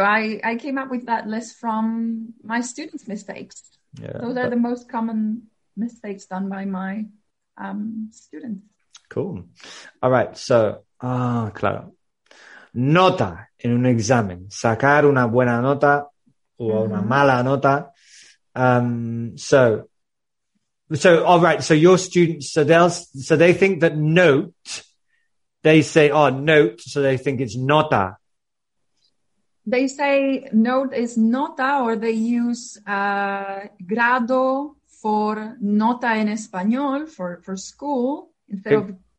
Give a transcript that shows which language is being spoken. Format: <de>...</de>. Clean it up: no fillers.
<en>I came up with that list from my students' mistakes. Yeah, those are the most common mistakes done by my students. Cool. All right, so, Clara,</en> <es>nota en un examen, sacar una buena nota o una mala nota.</es> <en>So they think that note, they say, oh, note, so they think it's nota. They say note is nota, or they use grado for</en> <es>nota en español</es> <en>for school. Instead of</en>